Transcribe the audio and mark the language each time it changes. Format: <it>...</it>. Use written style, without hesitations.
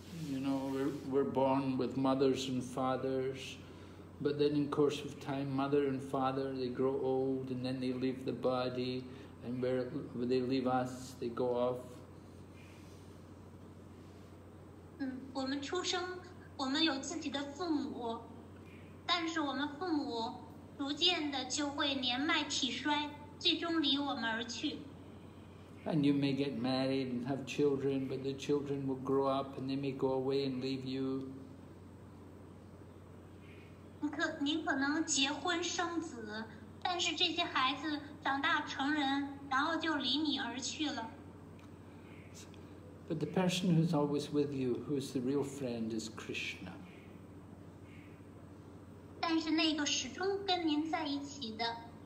<en>You know, we're born with mothers and fathers, but then in course of time, mother and father, they grow old and then they leave the body. And where when they leave us, they go off.</en> <zh>我们出生，我们有自己的父母，但是我们父母逐渐的就会年迈体衰，最终离我们而去。</zh> <en>And you may get married and have children, but the children will grow up and they may go away and leave you.</en> <zh>您可能结婚生子，但是这些孩子长大成人，然后就离你而去了。</zh> <en>But the person who's always with you, who's the real friend, is Krishna.</en> <zh>但是那个始终跟您在一起的。</zh>